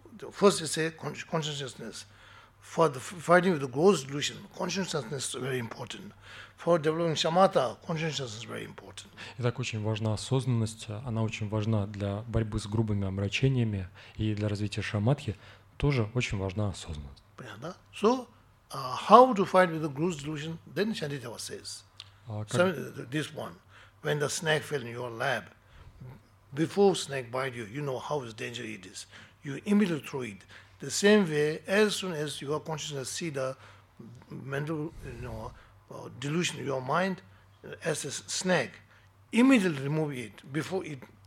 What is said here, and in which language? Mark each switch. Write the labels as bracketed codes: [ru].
[en] First, you say consciousness for the fighting with the gross delusion. Consciousness is very important. For developing shamatha, consciousness is very important. [ru] Итак, очень важна осознанность. Она очень важна для борьбы с грубыми омрачениями и для развития шамадхи. Тоже очень важна осознанность. Понятно, да? [en] So, how to fight with the gross delusion? Then Shantideva says, this one, when the snake fell in your lap, before snake bite you, you know how dangerous it is. You immediately throw it. The same way, as soon as your consciousness see the mental, you know, delusion in your mind as a snake, immediately remove it before it.